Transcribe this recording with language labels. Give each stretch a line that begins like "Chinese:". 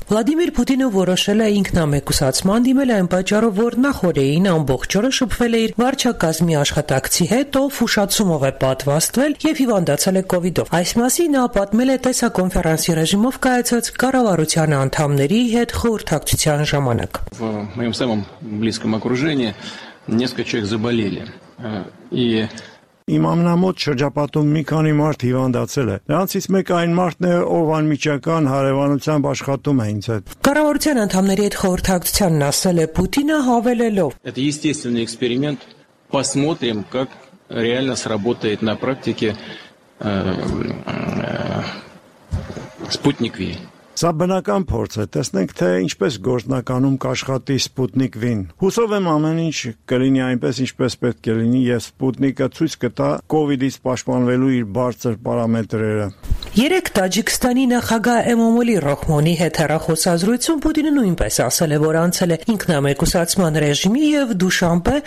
Armenian: Վլադիմիր Պուտինը որոշել է ինքնամեկուսացման դիմել այն պատճառով, որ նախորդին ամբողջ օրը շփվել է իր վարչակազմի աշխատակցի հետ, ով հուշացումով է պատվաստվել և հիվանդացել է COVID-ով։ Այս մասին նա պատմել է տեսակոնֆերանսի ռեժիմով կայացած կառավարության անդամների հետ խորհրդակցության ժամանակ։
Russian: В моем самом близком окружении несколько человек заболели, и
Armenian: Իմ ամնամոտ շրջապատում մի քանի մարդ հիվանդացել է։ Նրանցից մեկ այն մարդն է, ով անմիջական հարևանությամբ աշխատում է ինձ հետ։ Կառավարության անդամների հետ խորհրդակցությանն ասել է Պուտինը հավելելով.
Russian: Это естественный эксперимент. Посмотрим, как реально сработает на практике Sputnik V.
Armenian: Սա բնական փորձ է, տեսնենք թե ինչպես գործնականում կաշխատի Sputnik V-ն։ Հուսով եմ ամեն ինչ կլինի այնպես, ինչպես պետք է լինի, եւ Sputnik-ը ցույց կտա COVID-ից պաշտպանվելու իր բարձր պարամետրերը։ Երեք Տաջիկստանի նախագահ Էմոմոլի Ռոխմոնի հետ հեռախոսազրույցում Պուտինը նույնպես ասել է, որ անցել է ինքնամեկուսացման ռեժիմի եւ Դուշանպե